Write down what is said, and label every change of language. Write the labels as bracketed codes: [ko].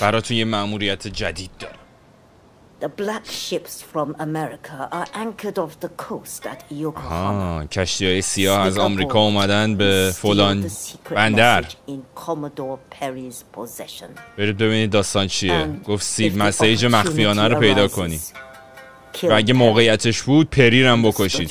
[fa] براتون یه مأموریت جدید دارم. [en] The black ships from America are anchored off the coast at Yokohama. [fa] کشتی‌های سیاه از آمریکا اومدن به فلان بندر. [en] In Commodore Perry's possession. برید ببینید داستان چیه. [fa] گفت سی مسیج مخفیانه رو پیدا کنی. و اگه موقعیتش بود پری رو هم بکشید.